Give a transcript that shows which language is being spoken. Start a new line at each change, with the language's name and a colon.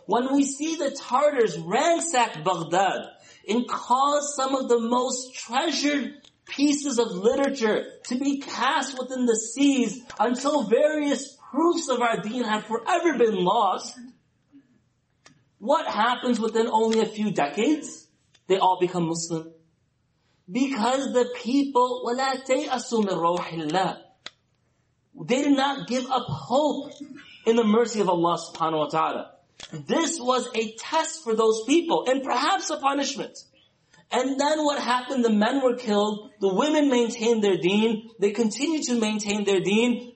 English: When we see the Tartars ransack Baghdad and cause some of the most treasured pieces of literature to be cast within the seas until various proofs of our deen have forever been lost, what happens within only a few decades? They all become Muslim.
Arabic: Because the people, وَلَا تَيْأَسُوا مِن رَوْحِ اللَّهِ.
English: They did not give up hope in the mercy of Allah subhanahu wa ta'ala. This was a test for those people, and perhaps a punishment. And then what happened? The men were killed, the women maintained their deen, they continued to maintain their deen.